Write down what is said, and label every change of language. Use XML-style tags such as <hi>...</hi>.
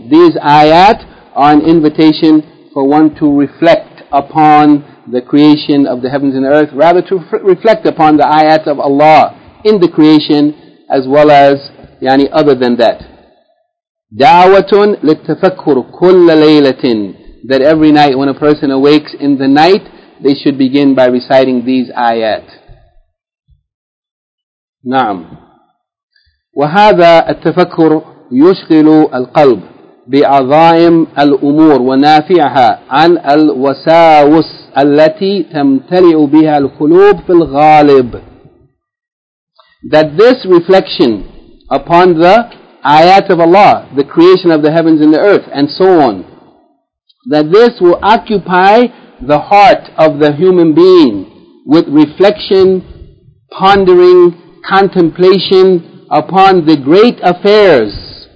<en>These ayat are an invitation for one to reflect upon the creation of the heavens and the earth, rather to reflect upon the ayat of Allah in the creation, as well as yani other than that.</en> <ar>Da'watun litafakkur kulla laylatin,</ar> <en>that every night when a person awakes in the night, they should begin by reciting these ayat.</en> <ar>Na'am. وهذا التفكر يشغل القلب بعظائم الأمور ونافعها عن الوساوس التي تمتلئ بها القلوب في الغالب.</ar> <en>That this reflection upon the ayat of Allah, the creation of the heavens and the earth, and so on, that this will occupy the heart of the human being with reflection, pondering, contemplation upon the great affairs</en>